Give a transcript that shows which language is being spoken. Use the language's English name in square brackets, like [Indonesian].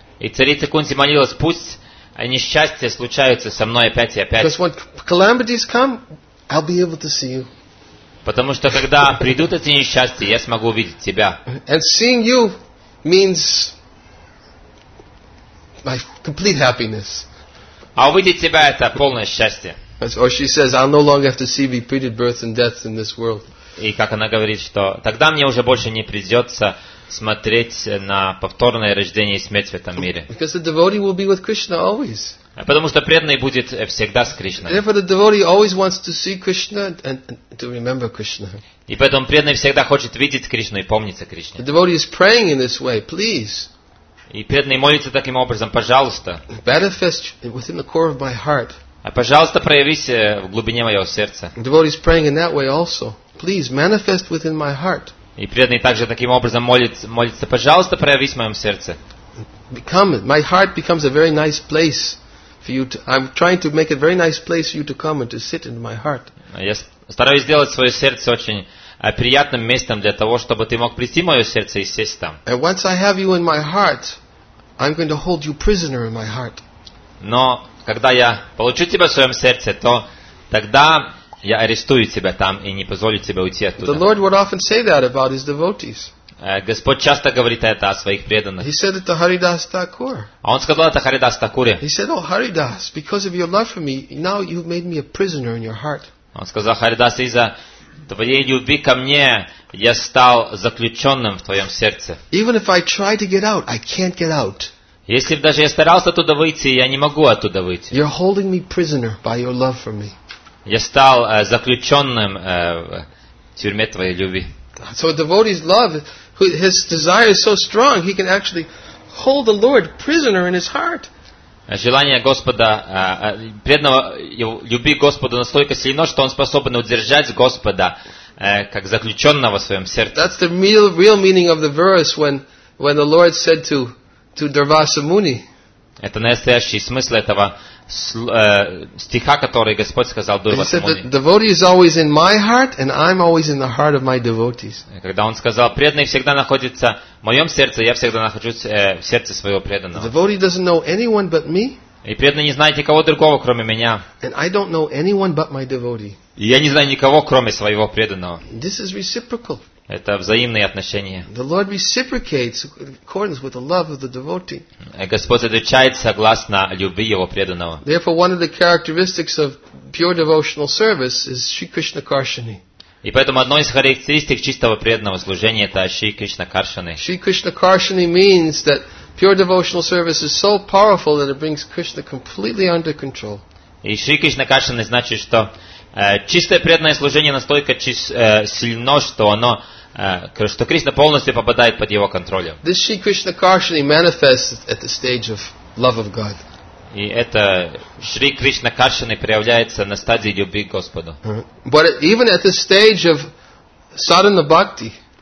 [Russian] И царица Кунти молилась, пусть несчастья случаются со мной опять и опять. [English] Because when calamities come, I'll be able to see you. [Russian] Потому что когда придут эти несчастья, я смогу увидеть тебя. [English] And seeing you means my complete happiness. [Russian] А увидеть тебя — это полное счастье. [English] Or she says, "I'll no longer have to see repeated births and deaths in this world." [Russian] И как она говорит, что тогда мне уже больше не придется смотреть на повторное рождение и смерть в этом мире. [English] Because the devotee will be with Krishna always. [Russian] Потому что преданный будет всегда с Кришной. [English] Therefore, the devotee always wants to see Krishna and to remember Krishna. [Russian] И поэтому преданный всегда хочет видеть Кришну и помнить о Кришне. [English] The devotee is praying in this way, please. [Russian] И преданный молится таким образом, пожалуйста. [English] Manifest within the core of my heart. [Russian] А пожалуйста, проявись в глубине моего сердца. [English] Devotee is praying in that way also. Please manifest within my heart. [Russian] И преданный также таким образом молится, пожалуйста, проявись в моем сердце. [English] Become, my heart becomes a very nice place for you to. I'm trying to make a very nice place for you to come and to sit in my heart. [Russian] Я стараюсь сделать свое сердце очень приятным местом для того, чтобы ты мог прийти в мое сердце и сесть там. [English] And once I have you in my heart, I'm going to hold you prisoner in my heart. [Russian] Но когда я получу тебя в своем сердце, то тогда я арестую тебя там и не позволю тебе уйти оттуда. [English] The Lord would often say that about his devotees. [Russian] Господь часто говорит это о своих преданных. [English] He said it to Haridas Thakur. [Russian] А он сказал это Харидас Такуре. [English] He said, "Oh Haridas, because of your love for me, now you've made me a prisoner in your heart." [Russian] Он сказал, Харидас, из-за твоей любви ко мне я стал заключенным в твоем сердце. [English] Even if I try to get out, I can't get out. [Russian] Если бы даже я старался оттуда выйти, я не могу оттуда выйти. [English] You're holding me prisoner by your love for me. [Russian] Я стал заключенным в тюрьме твоей любви. [English] So a devotee's love, his desire is so strong, he can actually hold the Lord prisoner in his heart. [Russian] Желание Господа, преданного любви к Господу настолько сильно, что он способен удержать Господа как заключенного в своем сердце. [English] That's the real meaning of the verse when the Lord said to Durvasa Muni. [Russian] Это настоящий смысл этого стиха, который Господь сказал Дурвасе Муни. [English] He said, "The devotee is always in my heart, and I'm always in the heart of my devotees." [Russian] Когда он сказал, преданный всегда находится в моем сердце, я всегда нахожусь в сердце своего преданного. [English] The devotee doesn't know anyone but me. [Russian] И преданный не знает никого другого, кроме меня. [English] And I don't know anyone but my devotee. [Russian] И я не знаю никого, кроме своего преданного. [English] This is reciprocal. [Russian] Это взаимные отношения. [English] The Lord reciprocates according with the love of the devotee. [Russian] Господь отвечает согласно любви его преданного. [English] Therefore, one of the characteristics of pure devotional service is Shri Krishna Karshani. [Russian] И поэтому одной из характеристик чистого преданного служения — это Шри Кришна Каршани. [English] Shri Krishna Karshani means that pure devotional service is so powerful that it brings Krishna completely under control. [Russian] И Шри Кришна Каршани значит, что чистое преданное служение настолько сильно, что оно что Кришна полностью попадает под его контролем. [English] This Shri Krishna Karshani manifests at the stage of love of God. [Russian] И это Шри Кришна Каршани проявляется на стадии любви к Господу. [English] But even at the stage of sadhana bhakti.